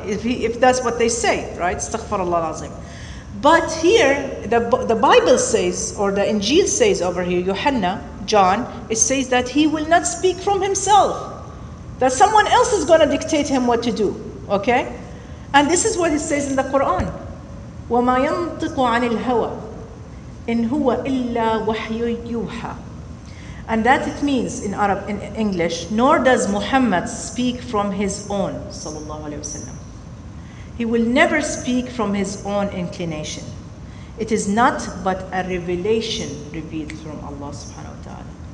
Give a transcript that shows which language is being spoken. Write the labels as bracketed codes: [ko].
[en] If that's what they say, right? Astaghfirullah al-Azim. But here, the Bible says, or the Injil says over here, Yohanna, John, it says that he will not speak from himself. That someone else is going to dictate him what to do, okay? And this is what it says in the Quran. [ar] وَمَا يَنْطِقُ عَنِ الْهَوَىٰ إن هو إلا وحي يوحى. [en] And that it means in Arab, in English, nor does Muhammad speak from his own, sallallahu alayhi wasallam. He will never speak from his own inclination. It is not but a revelation revealed from Allah subhanahu wa ta'ala.